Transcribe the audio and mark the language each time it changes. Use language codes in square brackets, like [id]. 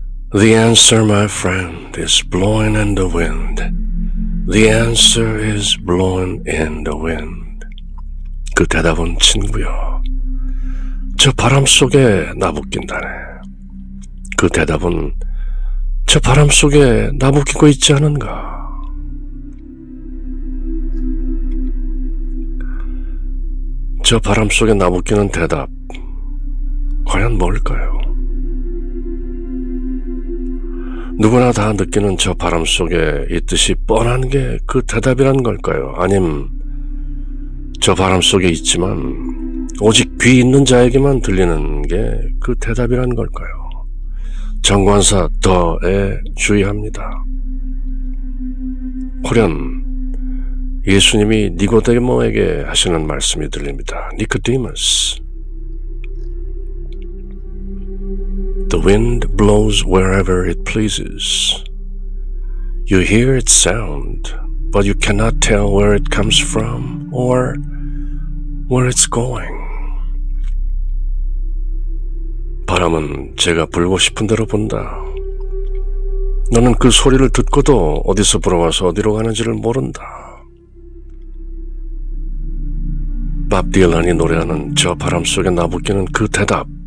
[en] 'The answer, my friend, is blowing in the wind. The answer is blowing in the wind.' [ko] 그 대답은 친구여. 저 바람 속에 나붓긴다네. 그 대답은 저 바람 속에 나붓기고 있지 않은가? 저 바람 속에 나붓기는 대답, 과연 뭘까요? 누구나 다 느끼는 저 바람 속에 있듯이 뻔한 게 그 대답이란 걸까요? 아님 저 바람 속에 있지만 오직 귀 있는 자에게만 들리는 게 그 대답이란 걸까요? 정관사 더에 주의합니다. 호련 예수님이 니고데모에게 하시는 말씀이 들립니다. [en] 니코디머스, The wind blows wherever it pleases. You hear its sound, but you cannot tell where it comes from or where it's going. [ko] 바람은 제가 불고 싶은 대로 분다. 너는 그 소리를 듣고도 어디서 불어와서 어디로 가는지를 모른다. 밥 딜런이 노래하는 저 바람 속에 나붓기는 그 대답.